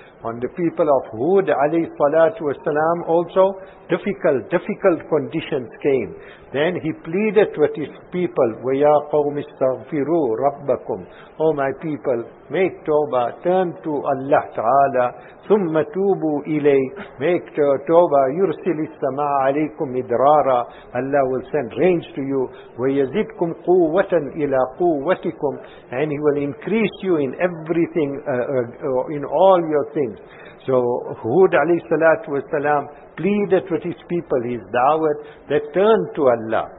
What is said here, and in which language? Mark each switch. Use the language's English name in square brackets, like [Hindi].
[English] on the people of Hud alayhi salatu wasalam also, difficult conditions came. Then he pleaded with his people, [Arabic] وَيَا قَوْمِ اسْتَغْفِرُوا رَبَّكُمْ. [English] O my people, make tawbah, turn to Allah Ta'ala, [Arabic] ثُمَّ تُوبُوا إِلَيْهِ. [English] Make tawbah, [Arabic] يُرْسِلِ السَّمَاءَ عَلَيْكُمْ إِدْرَارًا. [English] Allah will send rains to you, [Arabic] وَيَزِدْكُمْ قُوَّةً إِلَى قُوَّتِكُمْ. [English] And he will increase you in everything, in all your things. So Hud alayhi salatu wasalam pleaded with his people, his da'wat, they turned to Allah.